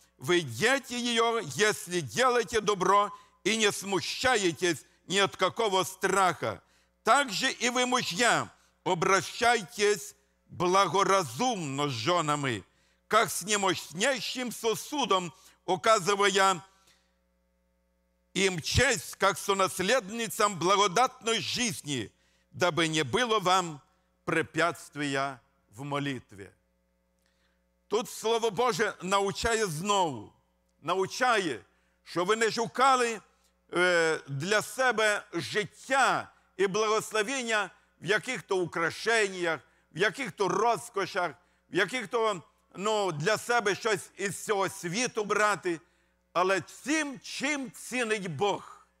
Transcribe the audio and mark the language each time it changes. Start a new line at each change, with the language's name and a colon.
Ukrainian: Ви діти її, якщо робите добро і не смущаєтесь ні від якого страха.
Russian: Так же і ви, мужья, обращайтесь благоразумно з жонами, як з немощнейшим сосудом указывая им честь, как сонаследницам благодатной жизни, дабы не было вам препятствия в молитве.
Ukrainian: Тут Слово Божие научає знову, научає, що ви не шукали для себе життя і благословення в яких-то украшеннях, в яких-то розкошах, в яких-то, ну, для себе щось із цього світу брати, але всім, чим цінить Бог.